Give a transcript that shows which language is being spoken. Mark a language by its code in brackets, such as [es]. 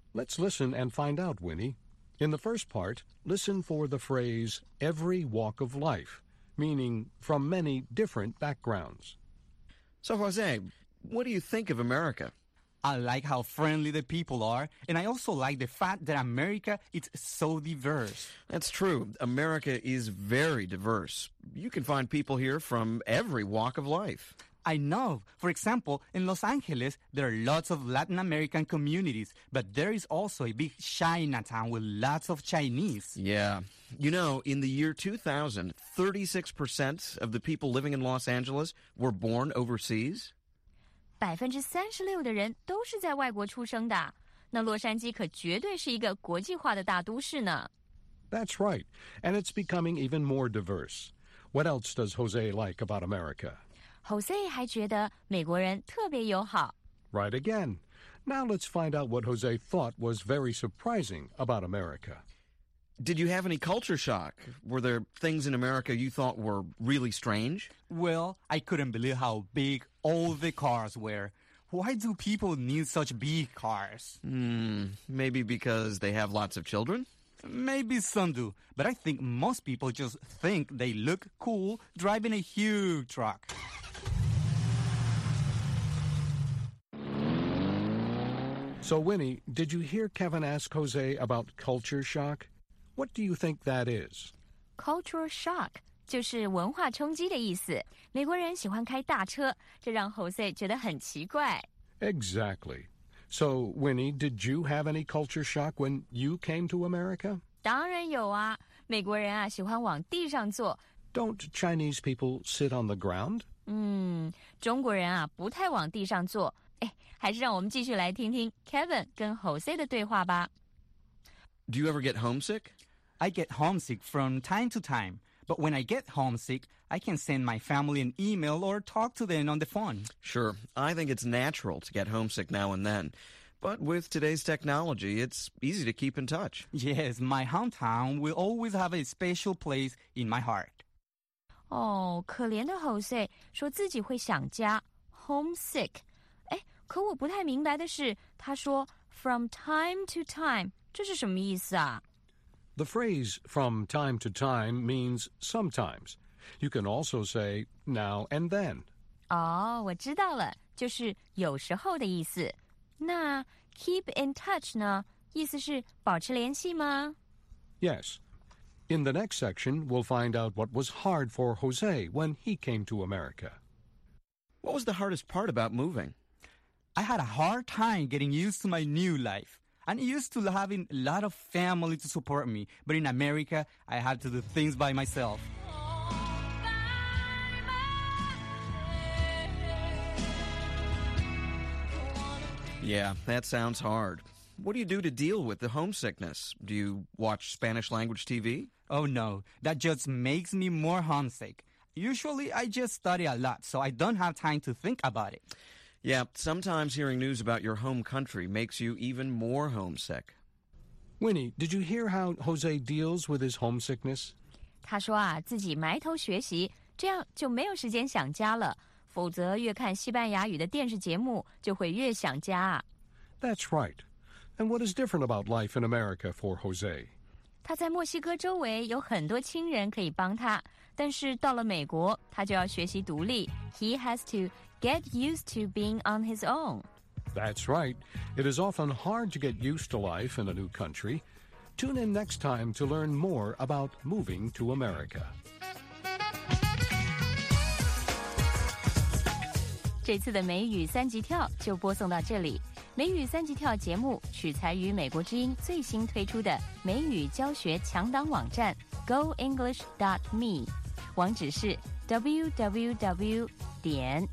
[en] Let's listen and find out, Winnie. In the first part, listen for the phrase, every walk of life, meaning from many different backgrounds. So, Jose, what do you think of America? I like how friendly the people are, and I also like the fact that America is so diverse. That's true. America is very diverse. You can find people here from every walk of life. I know. For example, in Los Angeles, there are lots of Latin American communities, but there is also a big Chinatown with lots of Chinese. Yeah. You know, in the year 2000, 36% of the people living in Los Angeles were born overseas. [zh] 36% 的人都是在外国出生的，那洛杉矶可绝对是一个国际化的大都市呢。 [en] That's right, and it's becoming even more diverse. What else does Jose like about America? [zh] Jose 还觉得美国人特别友好。 [en] Right again. Now let's find out what Jose thought was very surprising about America. Did you have any culture shock? Were there things in America you thought were really strange? Well, I couldn't believe how big... All the cars were. Why do people need such big cars? Maybe because they have lots of children? Maybe some do. But I think most people just think they look cool driving a huge truck. So, Winnie, did you hear Kevin ask Jose about culture shock? What do you think that is? [zh] Cultural shock. 就是文化冲击的意思。美国人喜欢开大车，这让 Jose 觉得很奇怪。 [en] Exactly. So, Winnie, did you have any culture shock when you came to America? [zh] 当然有啊。美国人啊，喜欢往地上坐。 [en] Don't Chinese people sit on the ground? [zh] 中国人啊，不太往地上坐。哎，还是让我们继续来听听 Kevin 跟 Jose 的对话吧。 [en] Do you ever get homesick? I get homesick from time to time. But when I get homesick, I can send my family an email or talk to them on the phone. Sure. I think it's natural to get homesick now and then. But with today's technology, it's easy to keep in touch. Yes, my hometown will always have a special place in my heart. [zh] Oh, 可怜的 Jose 说自己会想家 homesick. 哎，可我不太明白的是，他说 from time to time, 这是什么意思啊？ [en] The phrase from time to time means sometimes. You can also say now and then. [zh] Oh, 我知道了，就是有时候的意思。那 keep in touch 呢？意思是保持联系吗？ [en] Yes. In the next section, we'll find out what was hard for Jose when he came to America. What was the hardest part about moving? I had a hard time getting used to my new life. I'm used to having a lot of family to support me, but in America, I had to do things by myself. Yeah, that sounds hard. What do you do to deal with the homesickness? Do you watch Spanish language TV? Oh no, that just makes me more homesick. Usually, I just study a lot, so I don't have time to think about it. Yeah, sometimes hearing news about your home country makes you even more homesick. Winnie, did you hear how Jose deals with his homesickness? [zh] 他说啊，自己埋头学习，这样就没有时间想家了。否则越看西班牙语的电视节目，就会越想家。 [en] That's right. And what is different about life in America for Jose? [zh] 他在墨西哥周围有很多亲人可以帮他，但是到了美国，他就要学习独立。 [en] He has to... Get used to being on his own. That's right. It is often hard to get used to life in a new country. Tune in next time to learn more about moving to America. [zh] 这次的美语三级跳就播送到这里。美语三级跳节目取材于美国之音最新推出的美语教学强档网站 goenglish.me 网址是 www.goenglish.me